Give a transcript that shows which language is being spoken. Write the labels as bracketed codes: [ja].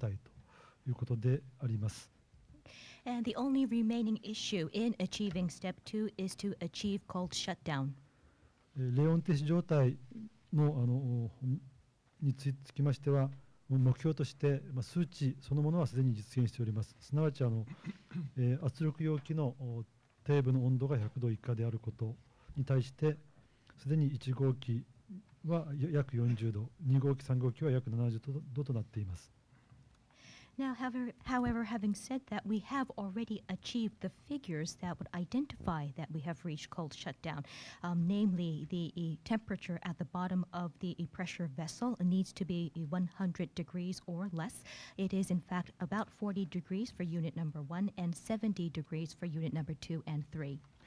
[ja] そのステップ2の課題の中で唯一残っておりますのが、いわゆる冷温停止状態ということであります。 [en] And the only remaining issue in achieving step 2 is to achieve cold shutdown. [ja] 冷温停止状態 の、につきましては、目標として、数値そのものはすでに実現しております。すなわち、圧力容器の底部の温度が100度以下であることに対して、すでに1号機は約40度、2号機、3号機は約70度となっています。 [en] Now, however, having said that, we have already achieved the figures that would identify that we have reached cold shutdown, namely the temperature at the bottom of the pressure vessel needs to be 100 degrees or less. It is, in fact, about 40 degrees for unit number 1 and 70 degrees for unit number 2 and 3.